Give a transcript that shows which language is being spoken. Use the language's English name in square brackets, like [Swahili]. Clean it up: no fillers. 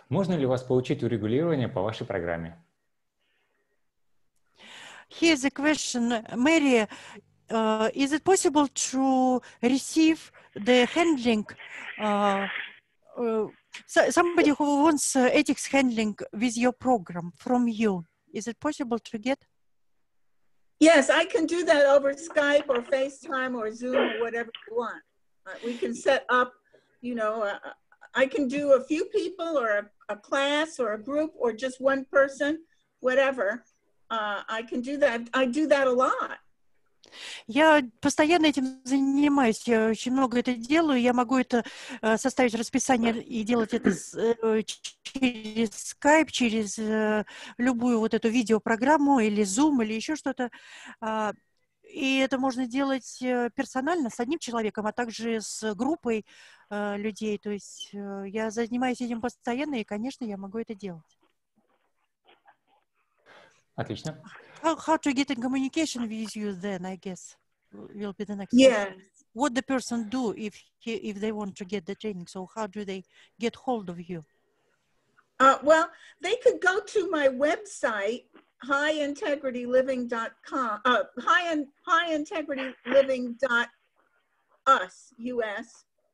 [Russian] Можно ли у вас получить урегулирование по вашей программе? [English] Here's a question. Mary, is it possible to receive the handling? Somebody who wants ethics handling with your program from you. Is it possible to get? Yes, I can do that over Skype or FaceTime or Zoom or whatever you want. We can set up, you know, I can do a few people or a class or a group or just one person, whatever. I can do that. I do that a lot. [Russian] Я постоянно этим занимаюсь, я очень много это делаю, я могу это составить расписание и делать это через Skype, через любую вот эту видеопрограмму или Zoom или еще что-то, и это можно делать персонально с одним человеком, а также с группой людей. То есть я занимаюсь этим постоянно, и, конечно, я могу это делать. Отлично. [English] How to get in communication with you then, I guess, will be the next question. Yeah. What the person do if he, if they want to get the training? So how do they get hold of you? Well, they could go to my website, highintegrityliving.com, highintegrityliving.us, U.S.